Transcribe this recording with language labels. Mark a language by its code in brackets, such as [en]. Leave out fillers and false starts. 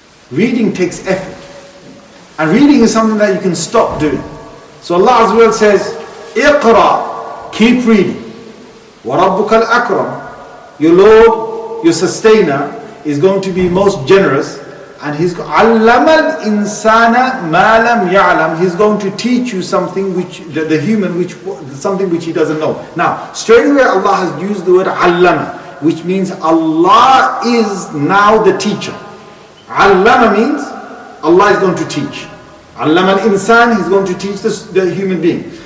[en] Reading takes effort. And reading is something that you can stop doing. So Allah Azza wa Jalla says, اِقْرَأْ. Keep reading. [ar] وَرَبُّكَ الْأَكْرَمُ. [en] Your Lord, your sustainer, is going to be most generous. And he's [ar] عَلَّمَ الْإِنسَانَ مَا لَمْ يَعْلَمُ. [en] He's going to teach you something which the human, something which he doesn't know. Now, straight away Allah has used the word عَلَّمَ, which means Allah is now the teacher. عَلَّمَ means Allah is going to teach. [ar] عَلَّمَ الْإِنسَانَ, [en] he's going to teach the human being.